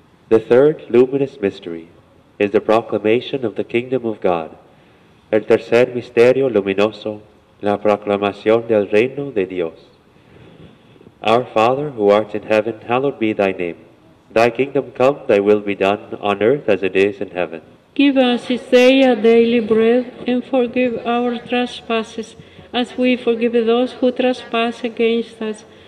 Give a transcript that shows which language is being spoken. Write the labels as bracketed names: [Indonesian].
[English] The third luminous mystery is the proclamation of the kingdom of God. [Spanish] El tercer misterio luminoso, la proclamación del reino de Dios. [English] Our Father, who art in heaven, hallowed be thy name. Thy kingdom come, thy will be done, on earth as it is in heaven. Give us this day our daily bread, and forgive our trespasses, as we forgive those who trespass against us.